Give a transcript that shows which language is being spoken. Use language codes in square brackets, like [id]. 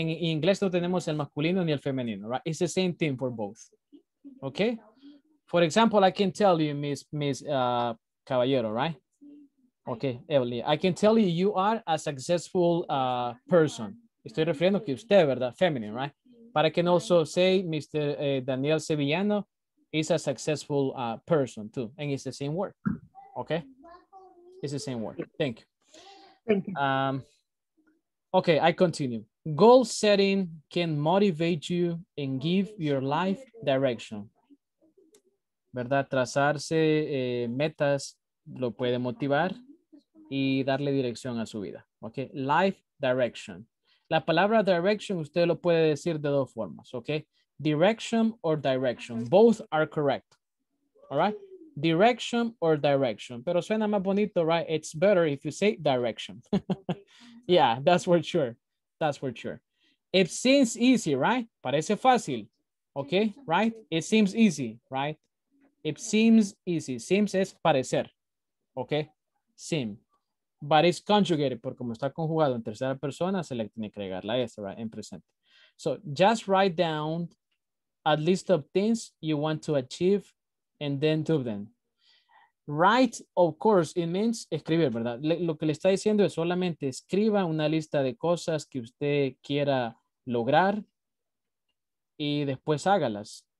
[es] En inglés no tenemos el masculino ni el femenino, right? [en] It's the same thing for both. Okay? For example, I can tell you, Miss Caballero, right? Okay, Evelyn. I can tell you, you are a successful person. [es] Estoy refiriendo que usted, ¿verdad? [en] Feminine, right? But I can also say, Mr. Daniel Sevillano is a successful person too. And it's the same word. Okay? It's the same word. Thank you. Okay, I continue. Goal setting can motivate you and give your life direction. [es] ¿Verdad? Trazarse metas lo puede motivar y darle dirección a su vida. Okay, [en] life direction. [es] La palabra direction, usted lo puede decir de dos formas. [en] Okay, direction or direction. Both are correct. All right. Direction or direction. [es] Pero suena más bonito, [en] right? It's better if you say direction. Yeah, that's for sure. It seems easy, right? [es] Parece fácil. [en] Okay, right? It seems easy, right? It seems easy. [es] Seems es parecer. Okay? Seem. [en] But it's conjugated. [es] Porque como está conjugado en tercera persona, se le tiene que agregar la S, right? En presente. [en] So just write down a list of things you want to achieve and then do them. Write, of course, it means escribir, ¿verdad? [es] Lo que le está diciendo es solamente escriba una lista de cosas que usted quiera lograr y después hágalas.